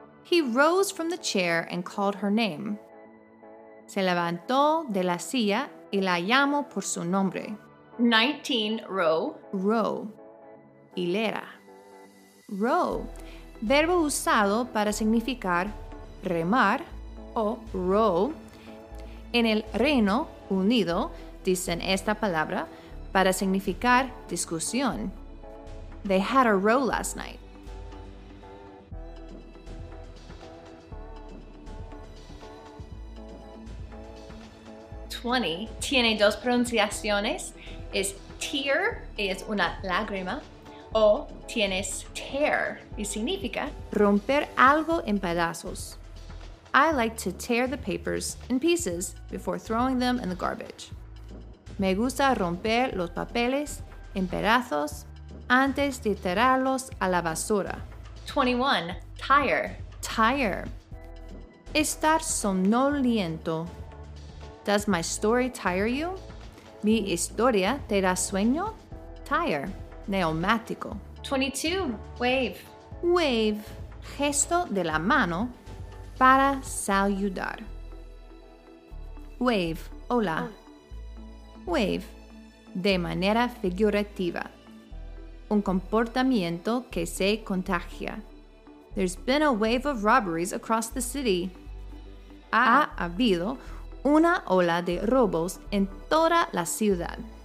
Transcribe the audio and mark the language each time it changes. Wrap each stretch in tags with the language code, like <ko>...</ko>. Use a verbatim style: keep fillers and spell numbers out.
<en>He rose from the chair and called her name.</en> <es>Se levantó de la silla y la llamó por su nombre.</es> <en>nineteen. Row. Row. Hilera. Row.</en> <es>Verbo usado para significar remar o row. En el Reino Unido dicen esta palabra para significar discusión.</es> <en>They had a row last night.</en> <es>twenty. Tiene dos pronunciaciones. Es tear, es una lágrima, o tienes tear, y significa romper algo en pedazos.</es> <en>I like to tear the papers in pieces before throwing them in the garbage.</en> <es>Me gusta romper los papeles en pedazos antes de tirarlos a la basura.</es> <en>twenty-one. Tire.</en> <es>Tire. Estar somnoliento.</es> <en>Does my story tire you?</en> <es>Mi historia te da sueño? Tire. Neumático.</es> <en>twenty-two. Wave.</en> <es>Wave. Gesto de la mano para saludar. Wave, hola. Oh. Wave, de manera figurativa. Un comportamiento que se contagia.</es> <en>There's been a wave of robberies across the city.</en> <es>Ha habido una ola de robos en toda la ciudad.</es>